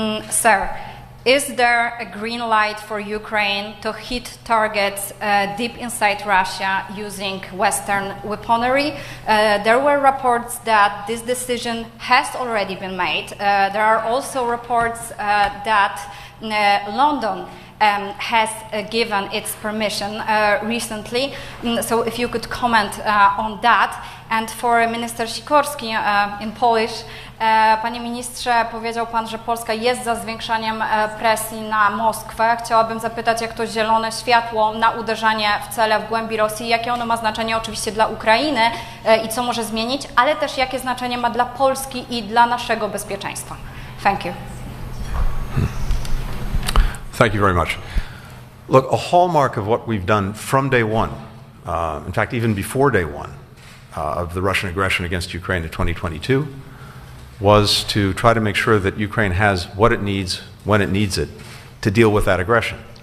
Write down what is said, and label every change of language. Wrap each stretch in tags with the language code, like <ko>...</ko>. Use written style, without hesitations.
<en>Sir, is there a green light for Ukraine to hit targets deep inside Russia using Western weaponry? There were reports that this decision has already been made. There are also reports that London has given its permission recently. So if you could comment on that. And for Minister Sikorski in Polish,</en> <pl>Panie Ministrze, powiedział Pan, że Polska jest za zwiększaniem presji na Moskwę. Chciałabym zapytać, jak to zielone światło na uderzenie w cele w głębi Rosji, jakie ono ma znaczenie oczywiście dla Ukrainy i co może zmienić, ale też jakie znaczenie ma dla Polski i dla naszego bezpieczeństwa.</pl> <en>Thank you. Thank you very much. Look, a hallmark of what we've done from day one, in fact, even before day one, of the Russian aggression against Ukraine in 2022, was to try to make sure that Ukraine has what it needs, when it needs it, to deal with that aggression.</en>